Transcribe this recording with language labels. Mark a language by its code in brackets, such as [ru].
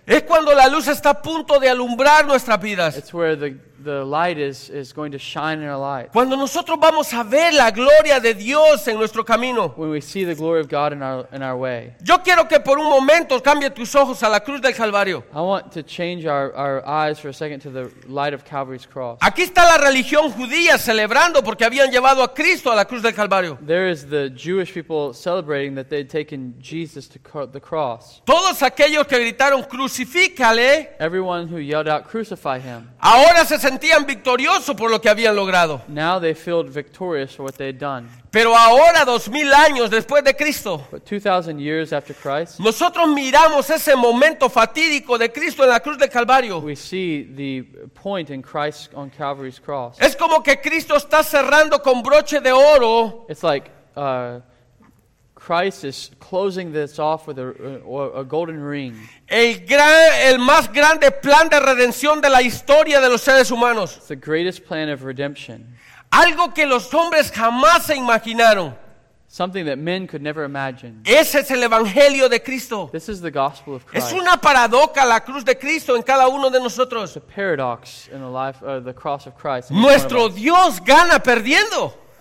[es] es cuando la luz está a punto de alumbrar nuestras vidas. [en] It's where the light is going to shine in our light. [es] Cuando nosotros vamos a ver la gloria de Dios en nuestro camino, [en] when we see the glory of God in our way. [es] Yo quiero que por un momento cambie tus ojos a la cruz del Calvario. [en] I want to change our eyes for a second to the light of Calvary's cross. [es] Aquí está la religión judía celebrando porque habían llevado a Cristo a la cruz del Calvario. [en] There is the Jewish people celebrating that they'd taken Jesus to the cross. [es] Todos aquellos que gritaron crucifícale, [en] everyone who yelled out crucify him. [es] Ahora se sentían victoriosos por lo que habían logrado. [en] Now they felt victorious for what they had done. [es] Pero ahora, 2,000 años después de Cristo, [en] but 2,000 years after Christ, [es] nosotros miramos ese momento fatídico de Cristo en la cruz del Calvario. [en] We see the point in Christ on Calvary's cross. [es] Es como que Cristo está cerrando con broche de oro. [en] It's like Christ is closing this off with a golden ring. [es] El más grande plan de redención de la historia de los seres humanos. [en] It's the greatest plan of redemption. [es] Algo que los hombres jamás se imaginaron. [en] Something that men could never imagine. [es] Ese es el evangelio de Cristo. [en] This is the gospel of Christ. [es] Es una paradoja la cruz de Cristo en cada uno de nosotros. [en] It's a paradox in the life of the cross of Christ. [es] Nuestro Dios gana perdiendo.